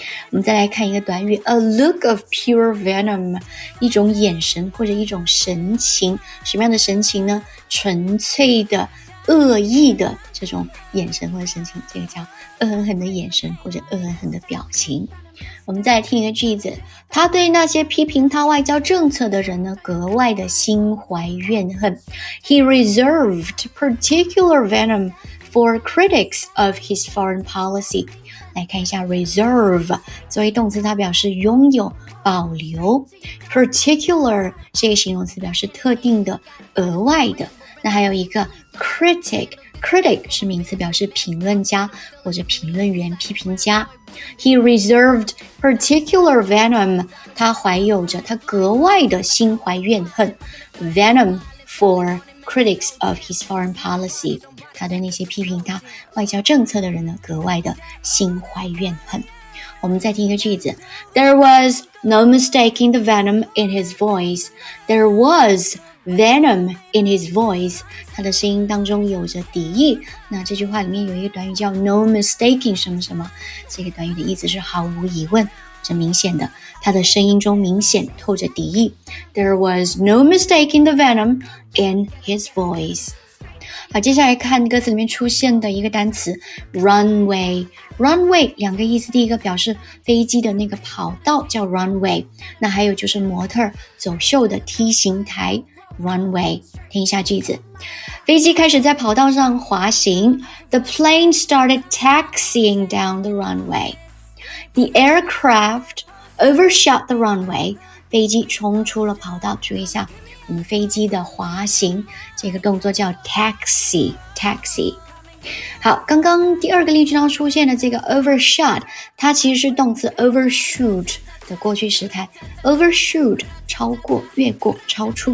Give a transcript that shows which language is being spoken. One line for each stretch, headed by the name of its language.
Chinese: 我们再来看一个短语，
English: A look of pure venom，
Chinese: 一种眼神或者一种神情。什么样的神情呢？纯粹的恶意的这种眼神或者神情，这个叫恶狠狠的眼神或者恶狠狠的表情。我们再来听一个句子，他对那些批评他外交政策的人呢格外的心怀怨恨。
English: He reserved particular venom for critics of his foreign policy。
Chinese: 来看一下 reserve， 作为动词它表示拥有、保留。 particular 这个形容词表示特定的、额外的。那还有一个 critic， critic 是名词，表示评论家或者评论员、批评家。
English: He reserved particular venom，
Chinese: 他怀有着他格外的心怀怨恨 ，
English: venom for critics of his foreign policy，
Chinese: 他对那些批评他外交政策的人呢，格外的心怀怨恨。我们再听一个句子
English: ，There was no mistaking the venom in his voice. There was venom in his voice.
Chinese: 他的声音当中有着敌意。那这句话里面有一个短语叫 no mistaking 什么什么，这个短语的意思是毫无疑问，这明显的，他的声音中明显透着敌意。
English: There was no mistaking the venom in his voice.
Chinese: 好，接下来看歌词里面出现的一个单词 runway， runway 两个意思，第一个表示飞机的那个跑道叫 runway， 那还有就是模特走秀的梯形台 runway。听一下句子，飞机开始在跑道上滑行，
English: The plane started taxiing down the runway. The aircraft overshot the runway.
Chinese: 飞机冲出了跑道，注意一下飞机的滑行，这个动作叫 taxi， taxi。好，刚刚第二个例句当中出现的这个 overshot， 它其实是动词 overshoot 的过去时态， overshoot 超过、越过、超出。